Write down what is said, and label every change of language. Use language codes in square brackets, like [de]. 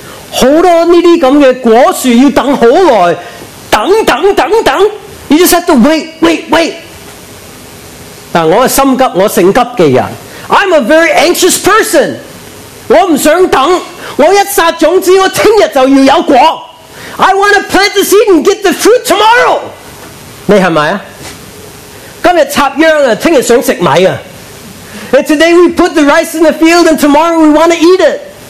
[zh] 好多这些果树要等好久,等等等等, [en] you just have to wait. [zh] 但我是心急,我性急的人, [en] I'm a very anxious person. [zh] 我不想等, 我一杀种子,我明天就要有果, [en] I want to plant the seed and get the fruit tomorrow. [zh] 你是不是? 今天插秧,明天想吃米啊。 [en] And today we put the rice in the field and tomorrow we want to eat it.